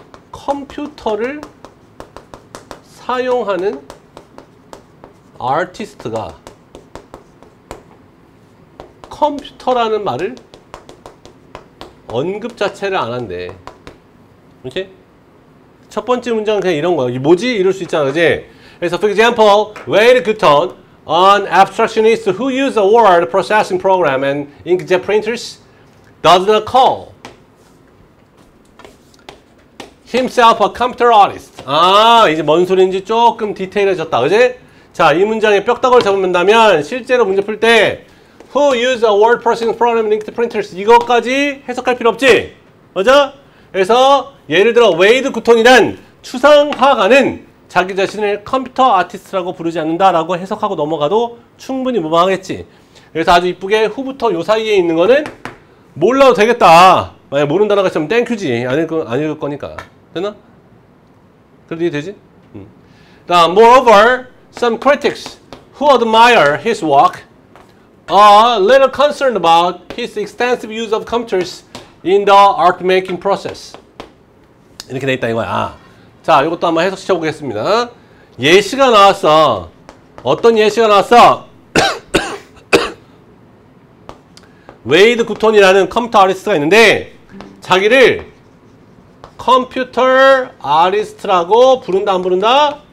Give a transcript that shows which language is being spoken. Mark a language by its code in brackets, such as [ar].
[ko] 컴퓨터를 사용하는 아티스트가 컴퓨터라는 말을 언급 자체를 안 한대. 그치? 첫 번째 문장은 그냥 이런 거야. 뭐지? 이럴 수 있잖아. 그치? 그래서 [en] for example, Wade Gutton, an abstractionist who uses a word processing program and inkjet printers does not call himself a computer artist. [ko] 아, 이제 뭔 소리인지 조금 디테일해졌다. 그치? 자, 이 문장의 뼈다구를 잡으면 실제로 문제 풀 때 [en] Who use a word processing program and inked printers? [ko] 이것까지 해석할 필요 없지? 맞아? 그래서 예를 들어 웨이드 구톤이란 추상화가는 자기 자신을 컴퓨터 아티스트라고 부르지 않는다 라고 해석하고 넘어가도 충분히 무방하겠지. 그래서 아주 이쁘게 후부터 요 사이에 있는 거는 몰라도 되겠다. 만약 모르는 단어가 있으면 땡큐지. 안 읽을 거니까. 됐나? 그래도 이해 되지? 다음, [en] moreover Some critics who admire his work are a little concerned about his extensive use of computers in the art making process. [ko] 이렇게 돼 있다 이거야. 자, 이것도 한번 해석시켜 보겠습니다. 예시가 나왔어. 어떤 예시가 나왔어? 웨이드 구톤이라는 컴퓨터 아티스트가 있는데 자기를 컴퓨터 아티스트라고 부른다 안 부른다?